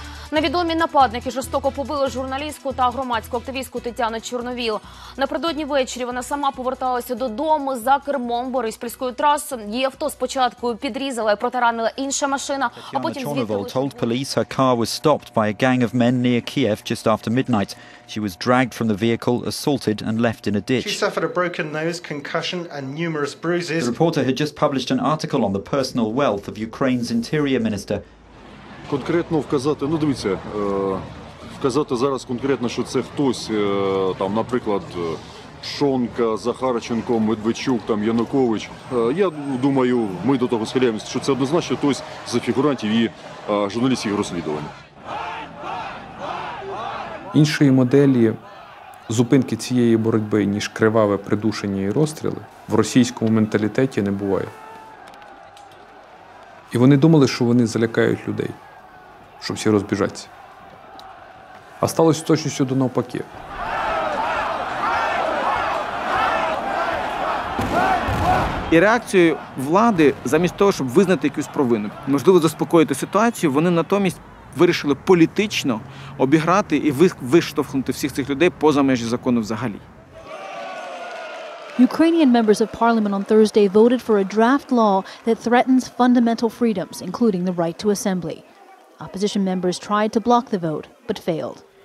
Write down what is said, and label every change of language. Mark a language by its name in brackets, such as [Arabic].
[Ukrainian] Невідомі нападники жорстоко побили журналістку та громадську активістку Тетяну Чорновіл. Напередодні ввечері вона сама поверталася додому за кермом Бориспільської траси. Її авто спочатку підрізала і протаранила інша машина, а потім звідти... [English] Тетяна Чорновіл told police her car was stopped by a gang of men near Kiev just after midnight. She was dragged from the vehicle, assaulted and left in a ditch. She suffered a broken nose, concussion and numerous bruises. The reporter had just published an article on the personal wealth of Ukraine's interior minister. [Ukrainian] Конкретно вказати, ну дивіться, вказати зараз конкретно, що це хтось, там, наприклад, Пшонка, Захарченко, Медведчук, там, Янукович. Я думаю, ми до того схиляємося, що це однозначно хтось з фігурантів і журналістських розслідувань. Іншої моделі зупинки цієї боротьби, ніж криваве придушення і розстріли, в російському менталітеті не буває. І вони думали, що вони залякають людей, що всі розбіжаться. А сталося точно сюди навпаки. І реакцією влади, замість того, щоб визнати якусь провину, можливо, заспокоїти ситуацію, вони натомість вирішили політично обіграти і виштовхнути всіх цих людей поза межі закону взагалі. [English] Ukrainian members of parliament on Thursday voted for a draft law that threatens fundamental freedoms, including the right to assembly. Opposition members tried to block the vote, but failed.